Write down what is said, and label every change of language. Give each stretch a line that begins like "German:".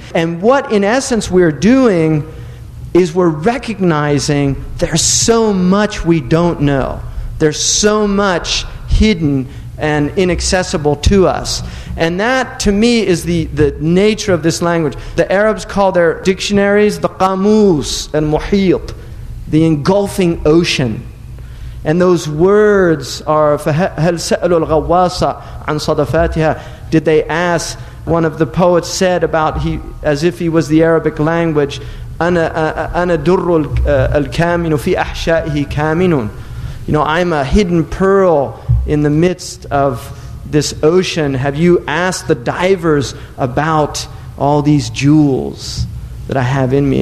English: And what in essence we're doing is we're recognizing there's so much we don't know. There's so much hidden and inaccessible to us. And that, to me, is the nature of this language. The Arabs call their dictionaries the qamus and muhit, the engulfing ocean. And those words are,
Arabic: فَهَلْ سَأَلُوا الْغَوَّاسَ عَنْ صَدَفَاتِهَا.
English: Did they ask, one of the poets said about, he as if he was the Arabic language,
Arabic: أَنَا دُرُّ الْكَامِنُ فِي أَحْشَائِهِ كَامِنٌ.
English: You know, I'm a hidden pearl in the midst of this ocean. Have you asked the divers about all these jewels that I have in me?